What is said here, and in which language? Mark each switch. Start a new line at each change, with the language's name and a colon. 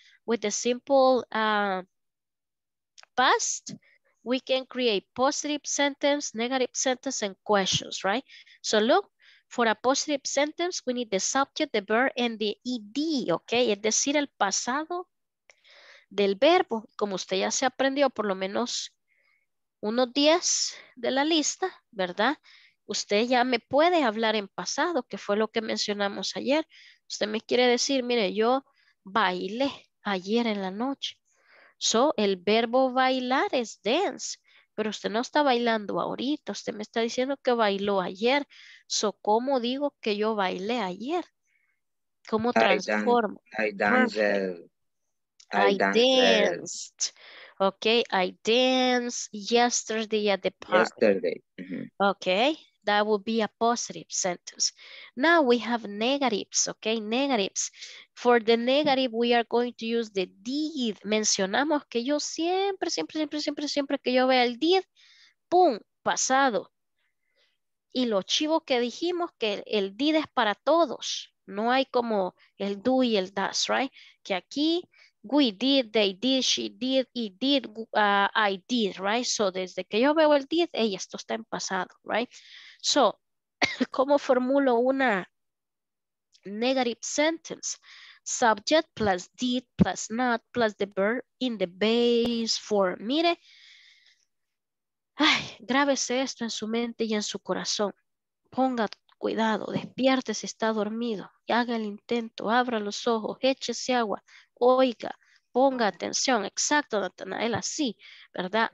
English: With the simple past, we can create positive sentence, negative sentence, and questions, right? So look, for a positive sentence, we need the subject, the verb, and the ed, okay?
Spanish: Es decir, el pasado del verbo. Como usted ya se aprendió por lo menos unos 10 de la lista, ¿verdad? Usted ya me puede hablar en pasado, que fue lo que mencionamos ayer. Usted me quiere decir, mire, yo bailé ayer en la noche. So, el verbo bailar es dance, pero usted no está bailando ahorita. Usted me está diciendo que bailó ayer. So, ¿cómo digo que yo bailé ayer? ¿Cómo transformo?
English: I danced. Okay, I danced yesterday at the park. Yesterday. Mm-hmm. Okay, that would be a positive sentence. Now we have negatives, okay, negatives. For the negative, we are going to use the did.
Spanish: Mencionamos que yo siempre, siempre, siempre, siempre, siempre que yo vea el did, pum, pasado. Y lo chivo que dijimos que el did es para todos. No hay como el do y el does, right? Que aquí...
English: We did, they did, she did, he did, I did, right?
Spanish: So, desde que yo veo el did, hey, esto está en pasado, right? So, ¿cómo formulo una negative sentence?
English: Subject plus did plus not plus the verb in the base form.
Spanish: Mire, ay, grábese esto en su mente y en su corazón. Ponga cuidado, despierte si está dormido. Y haga el intento, abra los ojos, échese agua. Oiga, ponga atención, exacto, Natanael, así, ¿verdad?